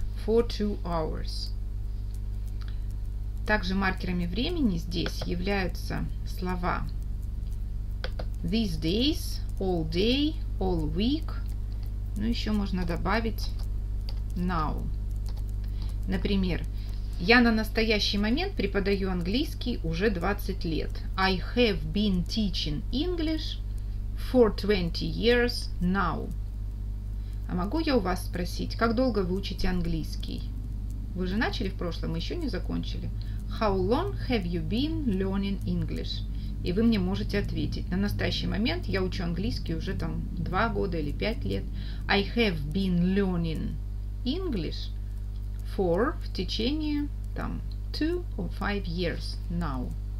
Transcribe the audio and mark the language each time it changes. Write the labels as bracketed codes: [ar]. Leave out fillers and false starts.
[en] For 2 hours. [ru] Также маркерами времени здесь являются слова these days, all day, all week. Ну, еще можно добавить now. Например, я на настоящий момент преподаю английский уже 20 лет. [en] I have been teaching English for 20 years now. [ru] А могу я у вас спросить, как долго вы учите английский? Вы же начали в прошлом, еще не закончили. [en] How long have you been learning English? [ru] И вы мне можете ответить: на настоящий момент я учу английский уже там 2 года или 5 лет. [en] I have been learning English for [ru] в течение там [en] 2 or 5 years now.